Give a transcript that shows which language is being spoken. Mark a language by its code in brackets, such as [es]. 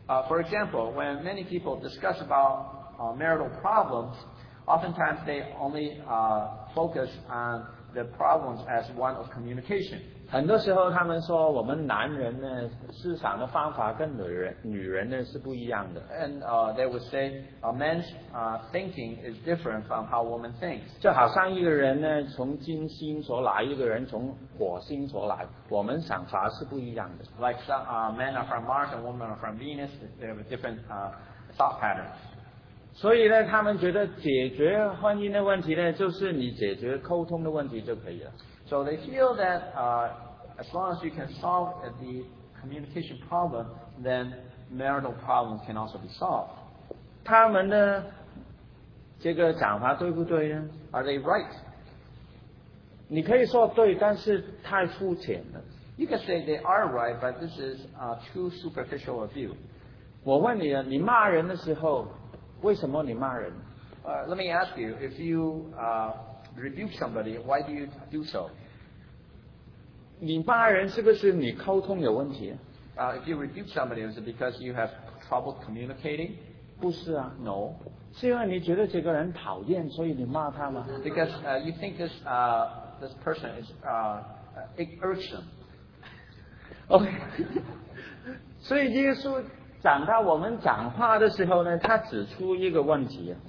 [en] For example, when many people discuss about marital problems, oftentimes they only focus on the problems as one of communication. [zh] 很多时候他们说我们男人呢思想的方法跟女人呢是不一样的。 [en] And, they would say, a man's, thinking is different from how women think. [zh] 就好像一个人呢从金星所来，一个人从火星所来，我们想法是不一样的。 [en] Like some, men are from Mars and women are from Venus, they have a different, thought patterns. [zh] 所以呢，他们觉得解决婚姻的问题呢，就是你解决沟通的问题就可以了。 [en] So they feel that, as long as you can solve the communication problem, then marital problems can also be solved. [zh] 他们的这个讲法对不对呢？ [en] Are they right? [zh] 你可以说对，但是太肤浅了。 [en] You can say they are right, but this is, too superficial a view. [zh] 我问你啊，你骂人的时候。为什么你骂人？ [en] Let me ask you, if you, rebuke somebody, why do you do so? [zh] 你骂人是不是你沟通有问题？ [en] If you rebuke somebody, is it because you have trouble communicating? [zh] 不是啊。 [en] No. [zh] 是因为你觉得这个人讨厌，所以你骂他吗？ [en] Because, you think this, this person is, irksome. OK. [zh] 所以耶稣讲到我们讲话的时候呢，他指出一个问题。